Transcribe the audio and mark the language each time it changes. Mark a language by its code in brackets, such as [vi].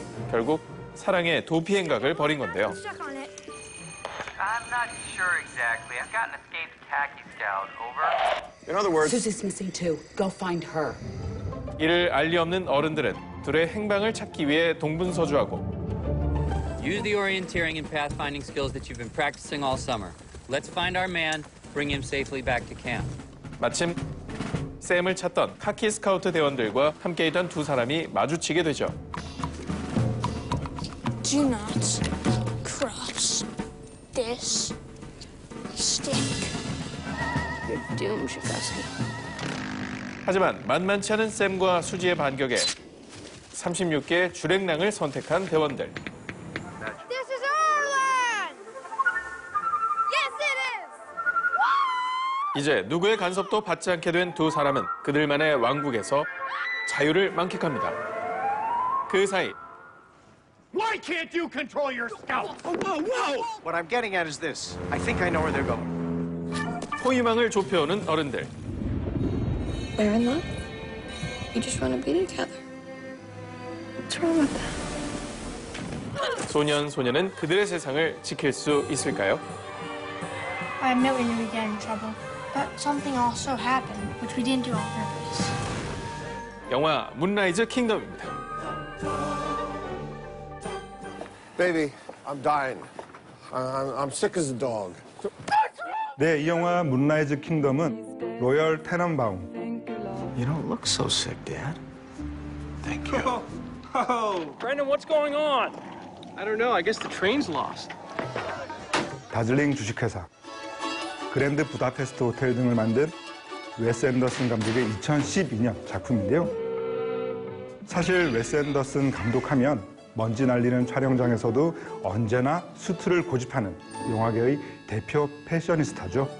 [ko] 결국 사랑의 도피행각을 벌인 건데요. [en] I'm not sure exactly. I've got an escape taxi scout. Over. In other words, Susie's missing too. Go find her. [ko] 이를 알리 없는 어른들은 둘의 행방을 찾기 위해 동분서주하고 [en] Use the orienteering and pathfinding skills that you've been practicing all summer. Let's find our man, bring him safely back to camp. [ko] 마침 샘을 찾던 카키 스카우트 대원들과 함께 있던 두 사람이 마주치게 되죠. [en] Do not cross this stick. You're doomed, Shikoski. [ko] 하지만 만만치 않은 샘과 수지의 반격에 36개의 줄행랑을 선택한 대원들. [en] This is our land! Yes, it is! [ko] 이제 누구의 간섭도 받지 않게 된 두 사람은 그들만의 왕국에서 자유를 만끽합니다. 그 사이 [en] Why can't you control your scout? Oh, whoa, whoa! What I'm getting at is this. I think I know where they're going. [ko] 포위망을 좁혀오는 어른들. [en] We're in love. We just want to be together. What's wrong with that? [ko] 소년 소녀는 그들의 세상을 지킬 수 있을까요? [en] I admit we knew we'd get in trouble, but something also happened, which we didn't do on purpose. [ko] 영화 Moonrise Kingdom입니다. [en] Baby, I'm dying. I'm sick as a dog. [ko] 네, 이 영화 Moonrise Kingdom은 로열 테넌바움. [en] You don't look so sick, Dad. Thank you. Oh, oh. Brandon, what's going on? I don't know. I guess the train's lost. [ko] 다즐링 주식회사, 그랜드 부다페스트 호텔 등을 만든 웨스 앤더슨 감독의 2012년 작품인데요. 사실 웨스 앤더슨 감독하면 먼지 날리는 촬영장에서도 언제나 수트를 고집하는 영화계의 대표 패셔니스타죠.